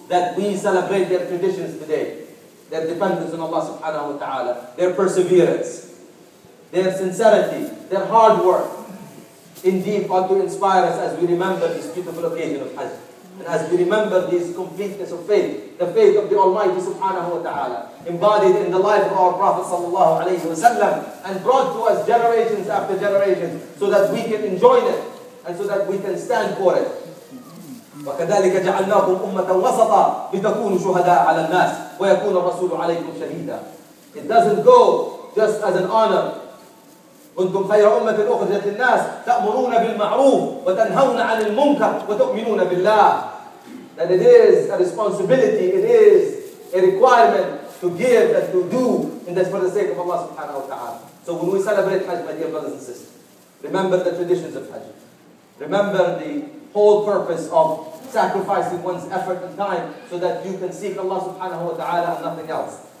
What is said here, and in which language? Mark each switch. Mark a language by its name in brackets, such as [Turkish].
[English] that we celebrate their traditions today, their dependence on Allah subhanahu wa ta'ala, their perseverance, their sincerity, their hard work, indeed ought to inspire us as we remember this beautiful occasion of Hajj. And as we remember this completeness of faith, the faith of the Almighty subhanahu wa ta'ala, embodied in the life of our Prophet sallallahu alayhi wa sallam, and brought to us generations after generations, so that we can enjoy it, and so that we can stand for it. [Arabic] وكذلك جعلناكم أمة وسطا لتكونوا شهداء على الناس ويكون الرسول عليكم شهيدا. [English] It doesn't go just as an honor. [Arabic] كنتم خير أمة أخرجت للناس تأمرون بالمعروف وتنهون عن المنكر وتؤمنون بالله. [English] That it is a responsibility, it is a requirement to give and to do, and that's for the sake of Allah subhanahu wa ta'ala. So when we celebrate Hajj, my dear brothers and sisters, remember the traditions of Hajj. Remember the whole purpose of sacrificing one's effort and time so that you can seek Allah subhanahu wa ta'ala and nothing else.